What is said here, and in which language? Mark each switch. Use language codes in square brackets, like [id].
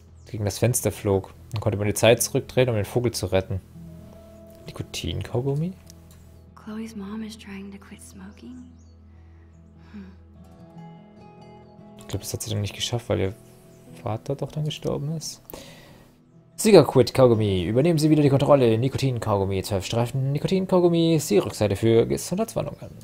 [de] Gegen das Fenster flog. Dann konnte man die Zeit zurückdrehen, um den Vogel zu retten. Nikotin-Kaugummi? [en] Chloe's Mom is trying to quit smoking. [de] Ich glaube, das hat sie dann nicht geschafft, weil ihr Vater doch dann gestorben ist. Siegerquid Kaugummi. Übernehmen Sie wieder die Kontrolle. Nikotin Kaugummi. 12 Streifen. Nikotin Kaugummi. Sie Rückseite für Gesundheitswarnungen.